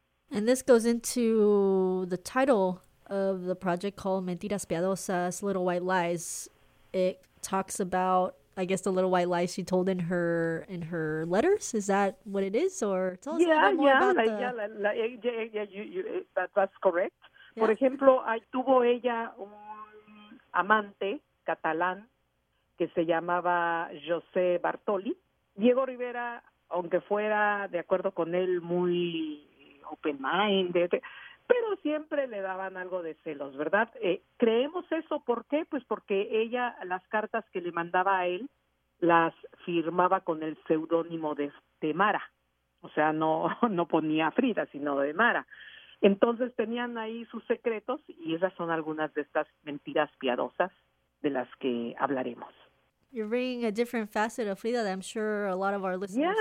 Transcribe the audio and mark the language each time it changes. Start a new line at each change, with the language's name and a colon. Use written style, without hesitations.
English: And this goes into the title of the project called Mentiras Piadosas, Little White Lies. It talks about, I guess, the little white lies she told in her letters. Is that what it is? Or tell us a little bit more about that. That's correct. Yeah.
Spanish: Por ejemplo, tuvo ella un amante catalán que se llamaba José Bartoli. Diego Rivera, aunque fuera de acuerdo con él muy open-minded, pero siempre le daban algo de celos, ¿verdad? Creemos eso, ¿por qué? Pues porque ella, las cartas que le mandaba a él, las firmaba con el seudónimo de Temara. O sea, no ponía Frida, sino de Mara. Entonces tenían ahí sus secretos, y esas son algunas de estas mentiras piadosas de las que hablaremos.
English: You're bringing a different facet of Frida that I'm sure a lot of our listeners